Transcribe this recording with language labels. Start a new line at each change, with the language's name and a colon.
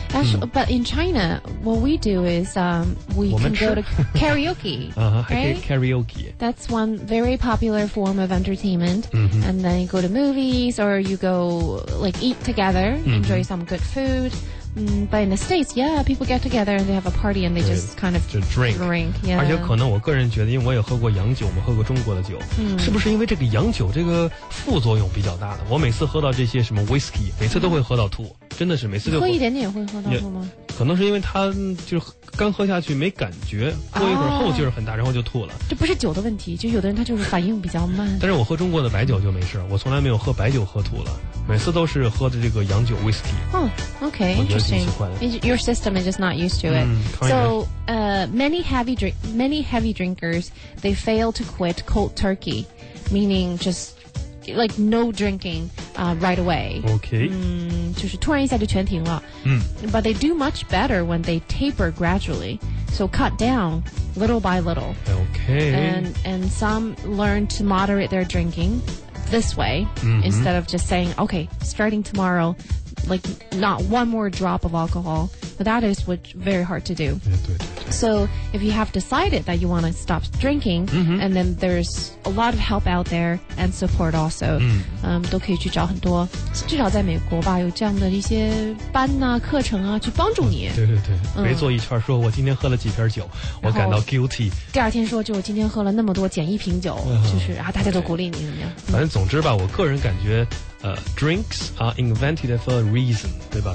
English: Actually, but in China, what we do is we can go to karaoke. Karaoke. That's one very popular form of entertainment. And then you go to movies or you go like eat together, enjoy some good food. But in the States, yeah, people get together and they have a party and they just kind of drink. Yeah.
Chinese: 而且可能我个人觉得，因为我也喝过洋酒，我们喝过中国的酒，是不是因为这个洋酒这个副作用比较大的？我每次喝到这些什么 whiskey， 每次都会喝到吐，真的是每次就喝一点点会喝到吐吗？可能是因为他就是刚喝下去没感觉，过一会儿后劲儿很大，然后就吐了。这不是酒的问题，就有的人他就是反应比较慢。但是我喝中国的白酒就没事，我从来没有喝白酒喝吐了，每次都是喝的这个洋酒 whiskey。
English: Interesting. Your system is just not used to it. So many heavy drinkers they fail to quit cold turkey, meaning just like no drinking right away. Okay.
Chinese: 就是突然一下就全停了。
English: But they do much better when they taper gradually, so cut down little by little. Okay. And some learn to moderate their drinking this way instead of just saying, okay, starting tomorrow, like not one more drop of alcohol. But that is what very hard to do. So if you have decided that you want to stop drinking, and then there's a lot of help out there and support also.
Chinese: 都可以去找很多，至少在美国吧，有这样的一些班啊、课程啊，去帮助你。没坐一圈说我今天喝了几瓶酒，我感到 guilty。第二天说就我今天喝了那么多，减一瓶酒，就是啊，大家都鼓励你怎么样？反正总之吧，我个人感觉。
English: Drinks are invented for a reason，
Chinese: 对吧？